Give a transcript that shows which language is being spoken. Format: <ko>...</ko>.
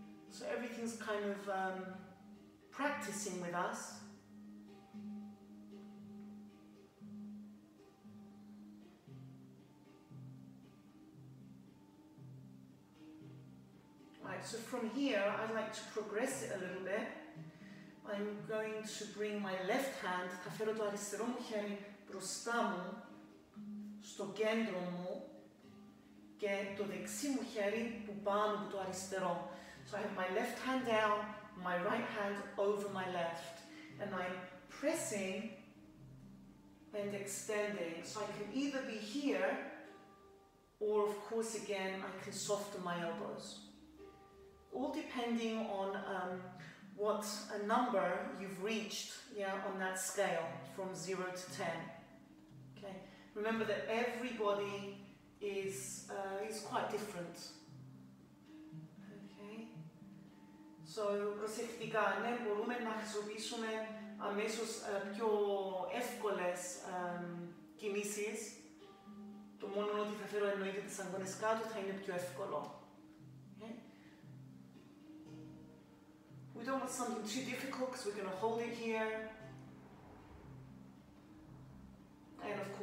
<en>So everything's kind of practicing with us. So from here, I'd like to progress it a little bit. I'm going to bring my left hand,</en> <el>θα φέρω το αριστερό μου χέρι μπροστά μου, στο κέντρο μου, και το δεξί μου χέρι που πάνω από το αριστερό.</el> <en>So I have my left hand down, my right hand over my left. And I'm pressing and extending. So I can either be here, or of course again, I can soften my elbows. All depending on what a number you've reached, yeah, on that scale from 0 to 10. Okay, remember that everybody is quite different. Okay, so</en> <el>προσεκτικά, ναι, μπορούμε να χρησιμοποιήσουμε αμέσως πιο εύκολες κινήσεις. Το μόνο ότι θα φέρω εννοείται τις αγκώνες κάτω θα είναι πιο εύκολο.</el> <en>We don't want something too difficult because we're going to hold it here. And</en>